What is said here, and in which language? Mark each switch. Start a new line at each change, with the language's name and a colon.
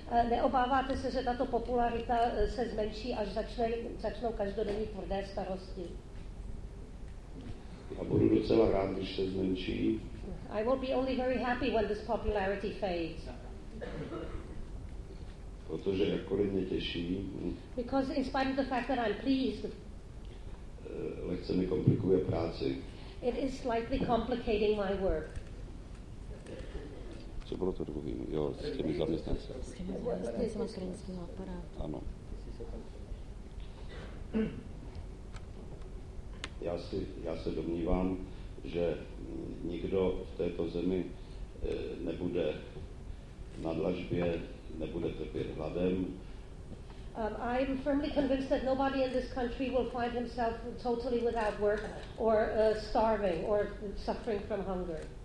Czech: Neobáváte se, že tato popularita se zmenší, až začnou každodenní tvrdé starosti? A budu docela rád, když se zmenší.
English: I will be only very happy when this popularity fades.
Czech: Protože jakkoliv mě těší.
English: Because in spite of the fact that I'm pleased.
Czech: Lehce mi komplikuje práci.
English: It is slightly complicating my work.
Czech: Co bylo to druhý? Jo, s těmi zaměstnanci. S těmi zaměstnanci krajinského aparátu. Ano. Já se domnívám, že nikdo v této zemi nebude na dlažbě, nebude trpět hladem.
English: I'm firmly convinced that nobody in this country will find himself totally without work or starving or suffering from hunger.